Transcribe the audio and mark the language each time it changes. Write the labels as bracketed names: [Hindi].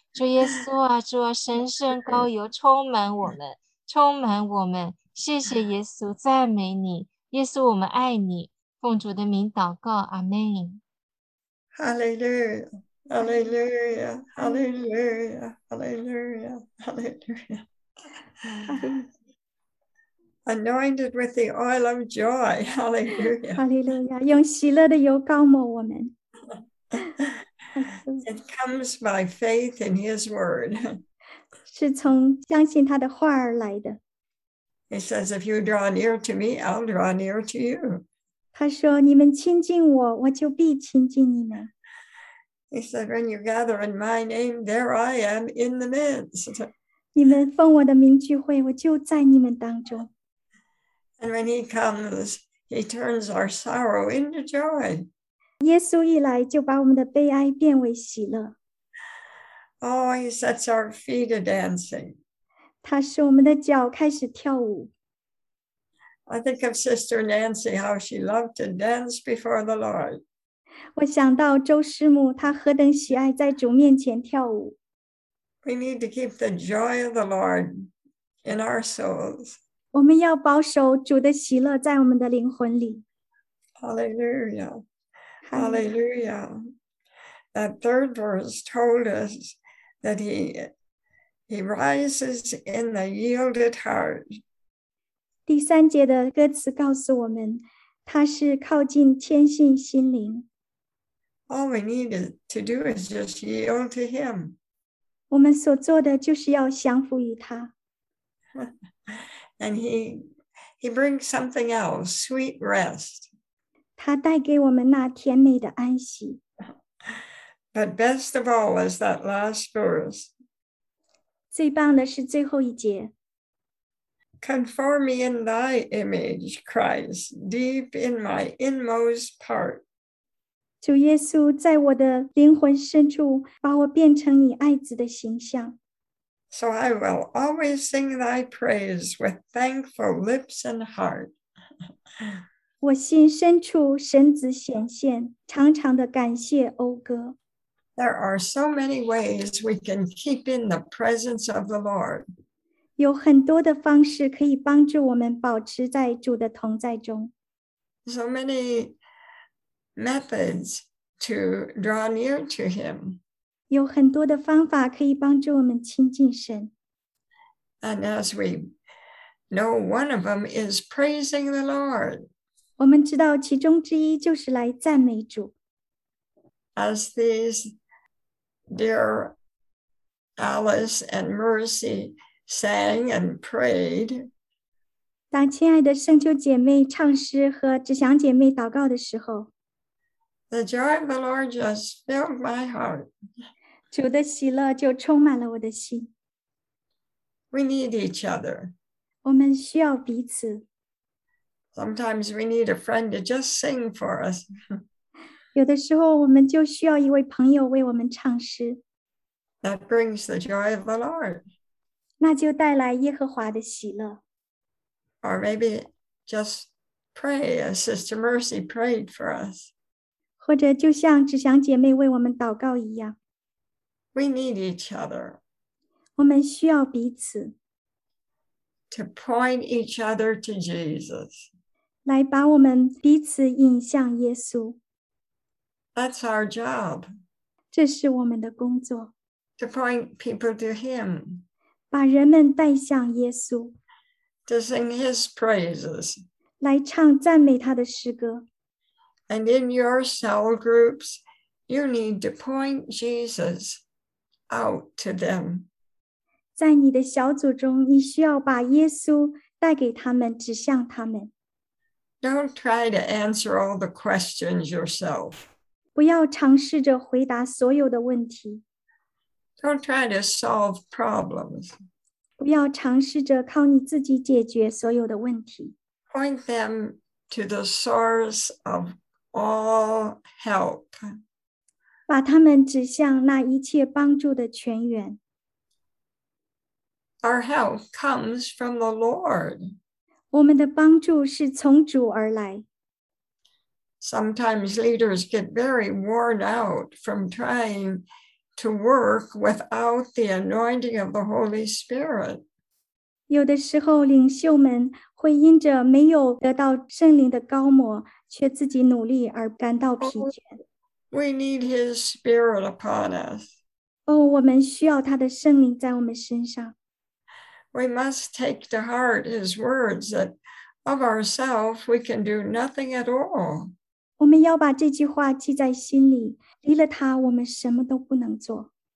[Chinese] 主耶稣啊，主啊，神圣膏油充满我们，充满我们。谢谢耶稣，赞美你，耶稣，我们爱你。奉主的名祷告，阿门。哈利路亚，哈利路亚，哈利路亚，哈利路亚，哈利路亚。 [English] Anointed with the oil of joy, hallelujah. [Chinese] 哈利路亚，用喜乐的油膏抹我们。 [English] It comes by faith in His word. [Chinese] 是从相信他的话而来的。 [English] He says, if you draw near to me, I'll draw near to you. [Chinese] 他说，你们亲近我，我就必亲近你们。 [English] He said, when you gather in my name, there I am in the midst. [Chinese] 你们奉我的名聚会，我就在你们当中。 [English] And when he comes, he turns our sorrow into joy. [Chinese] 耶稣一来，就把我们的悲哀变为喜乐。 [English] Oh, he sets our feet a dancing. [Chinese] 他使我们的脚开始跳舞。 [English] I think of Sister Nancy, how she loved to dance before the Lord. [Chinese] 我想到周师母，她何等喜爱在主面前跳舞。 [English] We need to keep the joy of the Lord in our souls. [Chinese] 我们要保守主的喜乐在我们的灵魂里。 [English] Hallelujah. Hallelujah. That third verse told us that he rises in the yielded heart. [Chinese] 第三节的歌词告诉我们，他是靠近谦逊心灵。 [English] All we need to do is just yield to him. [Chinese] 我们所做的就是要降服于他。 [English] And he brings something else, sweet rest. [Chinese] 他带给我们那甜美的安息。 [English] But best of all is that last verse. [Chinese] 最棒的是最后一节。 [English] Conform me in thy image, Christ, deep in my inmost part. [Chinese] 主耶稣在我的灵魂深处把我变成你爱子的形象。 [English] So I will always sing thy praise with thankful lips and heart. [Chinese] 我心深处神子显现，常常的感谢讴歌。 [English] There are so many ways we can keep in the presence of the Lord. [Chinese] 有很多的方式可以帮助我们保持在主的同在中。 [English] So many methods to draw near to him. [Chinese] 有很多的方法可以帮助我们亲近神。 [English] And as we know, one of them is praising the Lord. [Chinese] 我们知道其中之一就是来赞美主。 [English] As these Dear Alice and Mercy sang and prayed. [Chinese] 当亲爱的圣秋姐妹唱诗和芷祥姐妹祷告的时候， [English] The joy of the Lord just filled my heart. [Chinese] 主的喜乐就充满了我的心。 [English] We need each other. [Chinese] 我们需要彼此。 [English] Sometimes we need a friend to just sing for us. [Chinese] 有的时候我们就需要一位朋友为我们唱诗。 [English] That brings the joy of the Lord. [Chinese] 那就带来耶和华的喜乐。 [English] Or maybe just pray, as Sister Mercy prayed for us. [Chinese] 或者就像芷祥姐妹为我们祷告一样。 [English] We need each other. [Chinese] 我们需要彼此。 [English] To point each other to Jesus. [Chinese] 来把我们彼此引向耶稣。 [English] That's our job. [Chinese] 这是我们的工作。 [English] To point people to him. [Chinese] 把人们带向耶稣。 [English] To sing his praises. [Chinese] 来唱赞美他的诗歌。 [English] And in your cell groups, you need to point Jesus out to them. [Chinese] 在你的小组中，你需要把耶稣带给他们，指向他们。 [English] Don't try to answer all the questions yourself. [Chinese] 不要尝试着回答所有的问题。 [English] Don't try to solve problems. [Chinese] 不要尝试着靠你自己解决所有的问题。 [English] Point them to the source of all help. [Chinese] 把他们指向那一切帮助的泉源。 [English] Our help comes from the Lord. [Chinese] 我们的帮助是从主而来。 [English] Sometimes leaders get very worn out from trying to work without the anointing of the Holy Spirit. [Chinese] 有的时候领袖们会因着没有得到圣灵的膏抹，却自己努力而感到疲倦。 [English] We need His Spirit upon us. [Chinese] 我们需要他的圣灵在我们身上。 [English] We must take to heart His words that of ourselves we can do nothing at all. [Chinese] 我们要把这句话记在心里，离了它，我们什么都不能做。